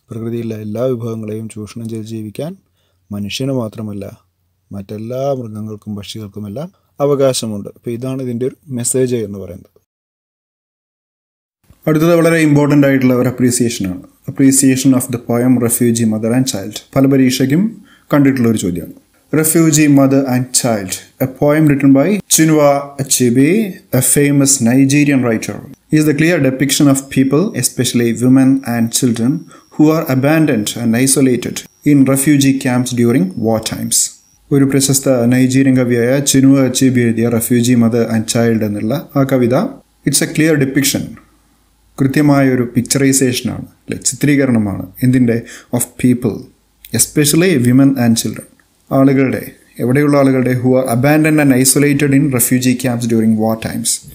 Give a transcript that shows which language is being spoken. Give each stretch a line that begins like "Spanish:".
Malayalam: പ്രകൃതിയിലെ എല്ലാ വിഭവങ്ങളെയും ചൂഷണം ചെയ്ത് ജീവിക്കാൻ മനുഷ്യന് മാത്രമല്ല മറ്റെല്ലാ മൃഗങ്ങൾക്കും പക്ഷികൾക്കുമെല്ലാം അവകാശമുണ്ട്. അപ്പോൾ ഇതാണ് ഇതിൻ്റെ ഒരു മെസ്സേജ് എന്ന് പറയുന്നത്. അടുത്തത് വളരെ ഇമ്പോർട്ടൻ്റ് ആയിട്ടുള്ള ഒരു അപ്രീസിയേഷനാണ്,
English: Appreciation of the poem refugee mother and child.
Malayalam: പല പരീക്ഷയ്ക്കും കണ്ടിട്ടുള്ളൊരു ചോദ്യമാണ്.
English: Refugee Mother and Child, a poem written by Chinua Achebe, a famous Nigerian writer. It is the clear depiction of people, especially women and children, who are abandoned and isolated in refugee camps during war times.
Malayalam: ഒരു പ്രശസ്ത Nigerian കവിയായ Chinua അച്ചേബി എഴുതിയ
English: refugee mother and child
Malayalam: എന്നുള്ള ആ കവിത
English: it's a clear depiction,
Malayalam: കൃത്യമായ ഒരു പിക്ചറൈസേഷനാണ് അല്ലേ, ചിത്രീകരണമാണ് എന്തിൻ്റെ,
English: of people especially women and children,
Malayalam: ആളുകളുടെ, എവിടെയുള്ള ആളുകളുടെ,
English: Who are abandon and isolated in refugee camps during war times.